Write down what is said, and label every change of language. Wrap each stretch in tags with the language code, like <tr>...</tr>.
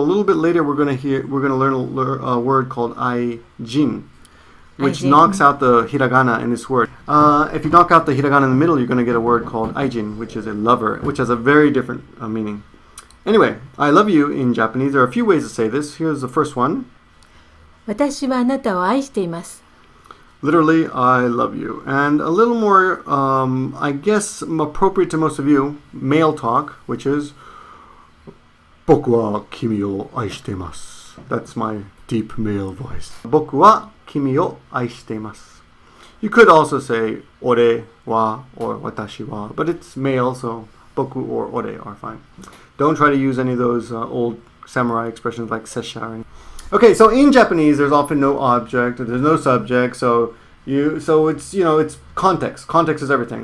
<en>A little bit later, we're going to learn a word called 愛人, which 愛人. Knocks out the hiragana in this word. If you knock out the hiragana in the middle, you're going to get a word called 愛人, which is a lover, which has a very different meaning. Anyway, I love you in Japanese. There are a few ways to say this. Here's the first one.</en> <ja>私はあなたを愛しています。</ja> <en>Literally, I love you. And a little more, I guess, appropriate to most of you, male talk, which is,</en> <ja>僕は君を愛しています.</ja> <en>That's my deep male voice.</en> <ja>僕は君を愛しています.</ja> <en>You could also say, 俺は or 私は, but it's male, so 僕 or 俺 are fine. Don't try to use any of those old samurai expressions like sesha or anything. Okay, so in Japanese, there's often no object, or there's no subject, so it's context. Context is everything.</en>